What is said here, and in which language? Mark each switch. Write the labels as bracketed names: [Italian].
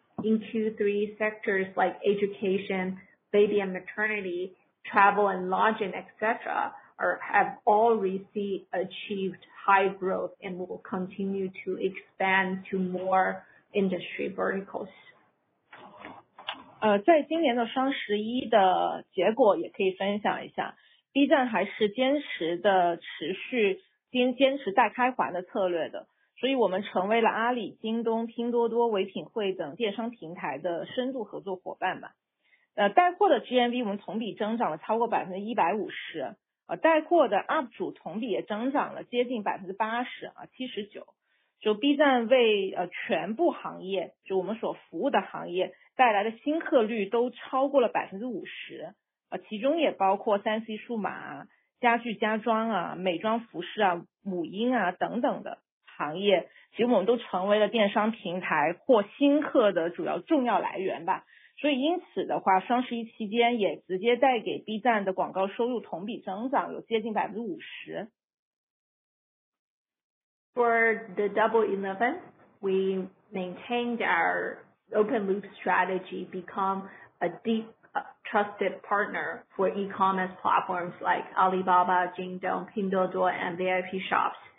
[English] In Q3, sectors like education, baby and maternity, travel and lodging, etc., have already achieved high growth and will continue to expand to more industry verticals. [Chinese] 在今年的双十一的结果也可以分享一下， B 站还是坚持带开环的策略的，所以我们成为了阿里、京东、拼多多、唯品会等电商平台的深度合作伙伴吧。带货的 GMV 我们同比增长了超过 150%，带货的 UP 主同比也增长了接近 80%， 79%， 就 B 站为全部行业，就我们所服务的行业带来的新客率都超过了 50%， 其中也包括 3C 数码、家具家装啊、美妆服饰啊、母婴啊等等的行业，其实我们都成为了电商平台获新客的主要重要来源吧。所以因此的话，双十一期间也直接带给 B 站的广告收入同比增长有接近 50%。 [English] For the Double 11, we maintained our open loop strategy, become a deep trusted partner for e-commerce platforms like Alibaba, Jingdong, Pinduoduo, and VIP shops.